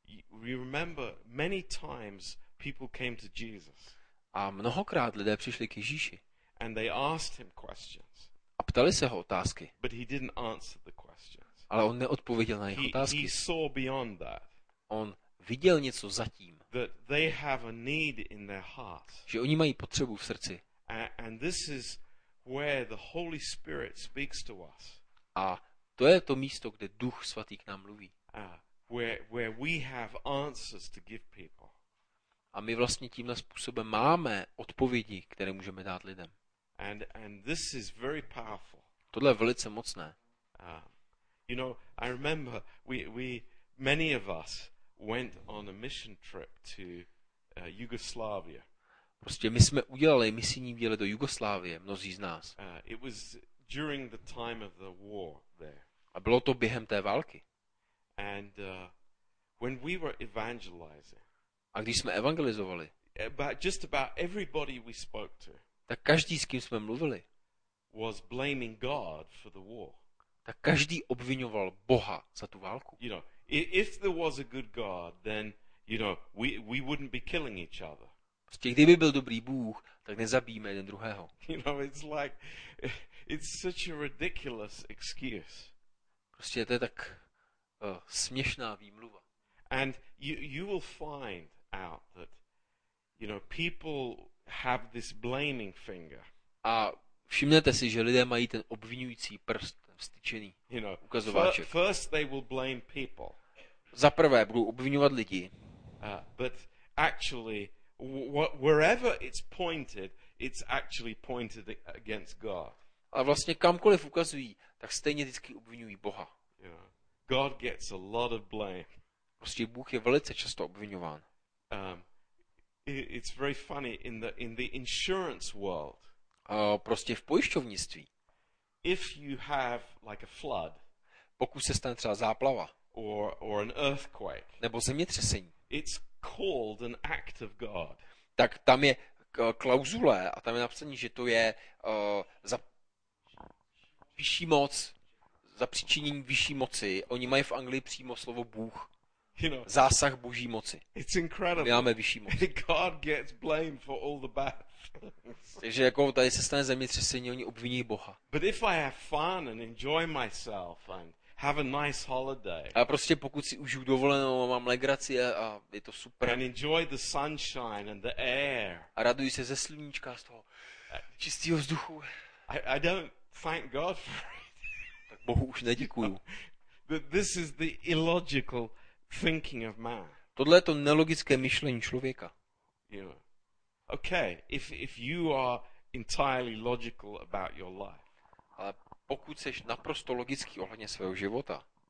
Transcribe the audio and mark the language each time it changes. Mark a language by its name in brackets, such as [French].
[English] We remember many times people came to Jesus. [Czech] A mnohokrát lidé přišli k Ježíši. [English] And they asked him questions. [Czech] A ptali se ho otázky. [English] But he didn't answer the questions. [Czech] Ale on neodpověděl na jejich otázky. [English] He saw beyond that. [Czech] On viděl něco za tím. [English] That they have a need in their heart. [Czech] Že oni mají potřebu v srdci. [English] And this is where the Holy Spirit speaks to us. [Czech] A to je to místo, kde Duch svatý k nám mluví. [English] Where we have answers to give people. [Czech] A my vlastně tímhle způsobem máme odpovědi, které můžeme dát lidem. [English] And this is very powerful. [Czech] Tohle je velice mocné. [English] You know, I remember we many of us went on a mission trip to Yugoslavia. [Czech] Prostě my jsme udělali misijní výlet do Jugoslávie, mnozí z nás. [English] It was during the time of the war there. [Czech] A bylo to během té války. [English] And when we were evangelizing. [Czech] A když jsme evangelizovali. [English] About just about everybody we spoke to. [Czech] Tak každý, s kým jsme mluvili. [English] Was blaming God for the war. [Czech] Tak každý obvinoval Boha za tu válku. [English] You know, if there was a good God, then you know, we wouldn't be killing each other. [Czech] Prostě, kdyby byl dobrý Bůh, tak nezabijeme jeden druhého. [English] You know, it's like it's such a ridiculous excuse. [Czech] Prostě to je tak směšná výmluva. [English] And you will find out that you know, people have this blaming finger. [Czech] A všimnete si, že lidé mají ten obvinující prst vztyčený, [English] you know, [Czech] ukazováček. [English] First they will blame people. [Czech] Za prvé budou obvinovat lidi. [English] But actually wherever it's pointed, it's actually pointed against God. [Czech] A vlastně kamkoliv ukazují, tak stejně vždycky obvinují Boha. [English] You know, God gets a lot of blame. [Czech] Prostě Bůh je velice často obvinován. [English] It's very funny in the insurance world. [Czech] Prostě v pojišťovnictví. [English] If you have like a flood. [Czech] Pokud se stane třeba záplava. [English] Or an earthquake. [Czech] Nebo zemětřesení. [English] It's called an act of God. [Czech] Tak tam je klauzule a tam je napsané, že to je za vyšší moc, za příčinění vyšší moci. Oni mají v Anglii přímo slovo Bůh. [English] You know, [Czech] zásah Boží moci. [English] It's incredible. [Czech] My máme vyšší moc. [English] God gets blamed for all the bad things. [Czech] Takže jako tady se stane zemětřesení, oni obviní Boha. [English] But if I have fun and enjoy myself and have a nice holiday. [Czech] A prostě pokud si užiju dovolenou a mám legraci a je to super. [English] And enjoy the sunshine and the air. [Czech] A raduji se ze sluníčka, z toho čistého vzduchu. [English] I don't thank God for it. [Czech] Tak Bohu už neděkuju. [English] This is the illogical thinking of man. [Czech] Tohle je to nelogické myšlení člověka. [English] Yeah. Okay, if you are entirely logical about your life. [Czech] Ale pokud jsi naprosto logický ohledně svého života,